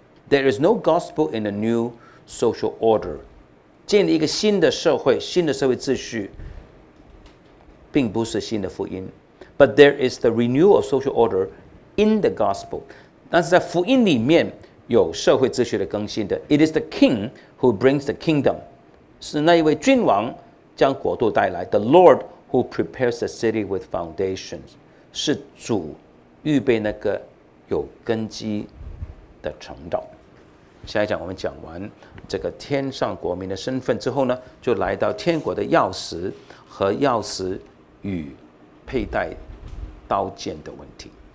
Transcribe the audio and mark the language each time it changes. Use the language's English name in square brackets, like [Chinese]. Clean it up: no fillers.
[English] There is no gospel in a new social order. [Chinese] 建立一个新的社会，新的社会秩序，并不是新的福音。 [English] But there is the renewal of social order in the gospel. [Chinese] 但是在福音里面有社会秩序的更新的。 [English] It is the king who brings the kingdom. [Chinese] 是那一位君王将国度带来。 [English] The Lord who prepares the city with foundations. [Chinese] 是主预备那个有根基的城道。下一讲我们讲完这个天上国民的身份之后呢，就来到天国的钥匙和钥匙与佩戴刀剑的问题。